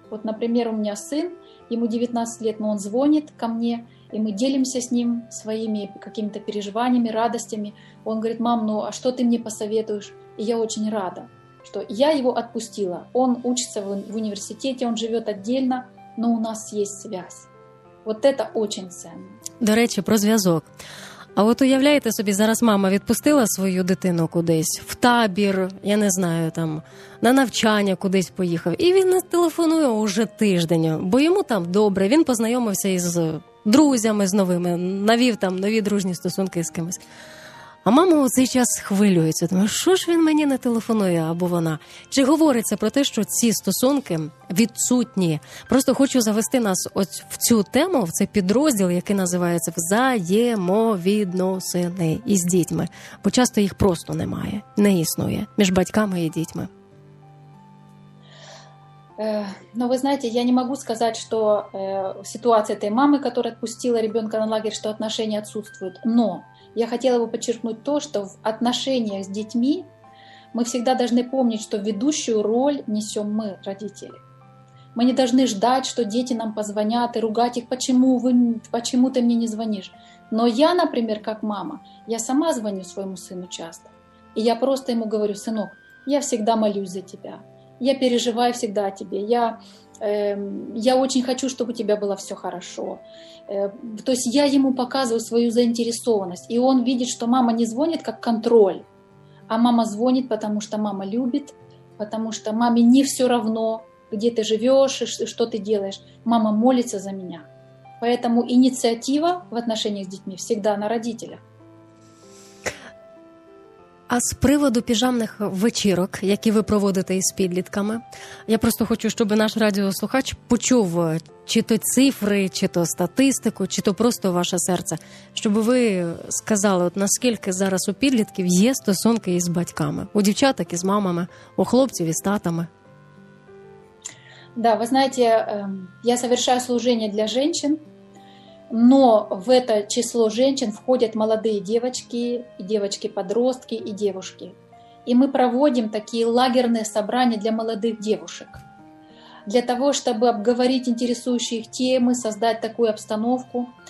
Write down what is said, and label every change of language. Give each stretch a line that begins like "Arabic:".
Russian: Вот, например, у меня сын, ему 19 лет, но он звонит ко мне, и мы делимся с ним своими какими-то переживаниями, радостями. Он говорит: мам, ну а что ты мне посоветуешь? И я очень рада, что я его отпустила. Он учится в университете, он живет отдельно, но у нас есть связь. Вот это очень ценно.
Ukrainian: До речи, про зв'язок. А от уявляєте собі, зараз мама відпустила свою дитину кудись, в табір, я не знаю, там, на навчання кудись поїхав, і він не телефонує уже тиждень, бо йому там добре, він познайомився із друзями, з новими, навів там нові дружні стосунки з кимось. А мама у цей час хвилюється, тому що ж він мені не телефонує, або вона. Чи говориться про те, що ці стосунки відсутні? Просто хочу завести нас ось в цю тему, в цей підрозділ, який називається «Взаємовідносини із дітьми». Бо часто їх просто немає, не існує між батьками і дітьми. Ну, ви знаєте, я не можу сказати, що ситуація тієї мами, яка відпустила дитину на лагерь, що відносини відсутствують, але...
Russian: Я хотела бы подчеркнуть то, что в отношениях с детьми мы всегда должны помнить, что ведущую роль несем мы, родители. Мы не должны ждать, что дети нам позвонят и ругать их, почему ты мне не звонишь. Но я, например, как мама, я сама звоню своему сыну часто. И я просто ему говорю: сынок, я всегда молюсь за тебя. Я переживаю всегда о тебе. Я очень хочу, чтобы у тебя было все хорошо. То есть я ему показываю свою заинтересованность. И он видит, что мама не звонит как контроль, а мама звонит, потому что мама любит, потому что маме не все равно, где ты живешь и что ты делаешь. Мама молится за меня. Поэтому инициатива в отношениях с детьми всегда на родителях.
Ukrainian: А з приводу піжамних вечірок, які ви проводите із підлітками, я просто хочу, щоб наш радіослухач почув чи то цифри, чи то статистику, чи то просто ваше серце, щоб ви сказали, от наскільки зараз у підлітків є стосунки із батьками, у дівчаток із мамами, у хлопців із татами.
Russian: Да, вы знаете, я совершаю служение для женщин, но в это число женщин входят молодые девочки, и девочки-подростки и девушки. И мы проводим такие лагерные собрания для молодых девушек, для того, чтобы обговорить интересующие их темы, создать такую обстановку.